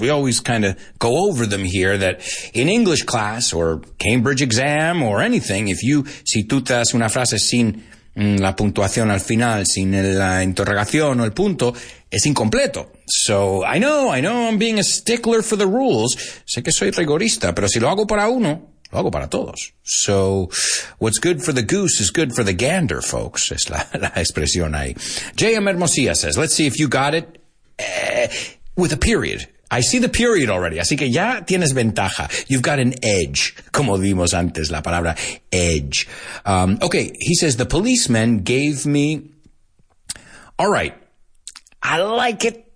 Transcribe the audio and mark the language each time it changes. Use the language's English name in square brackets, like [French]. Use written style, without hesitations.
[English] We always kind of go over them here, that in English class or Cambridge exam or anything, if you, [Spanish] si tú te das una frase sin la puntuación al final, [English] sin la interrogación o el punto, es incompleto. So, I know I'm being a stickler for the rules. [Spanish] Sé que soy rigorista, pero si lo hago para uno, lo hago para todos. [English] So, what's good for the goose is good for the gander, folks. [Spanish] Es la expresión ahí. [English] J.M. Hermosilla says, let's see if you got it with a period. I see the period already. [Spanish] Así que ya tienes ventaja. [English] You've got an edge. [Spanish] Como vimos antes, la palabra [English] edge. Okay, he says, the policeman gave me... All right. I like it.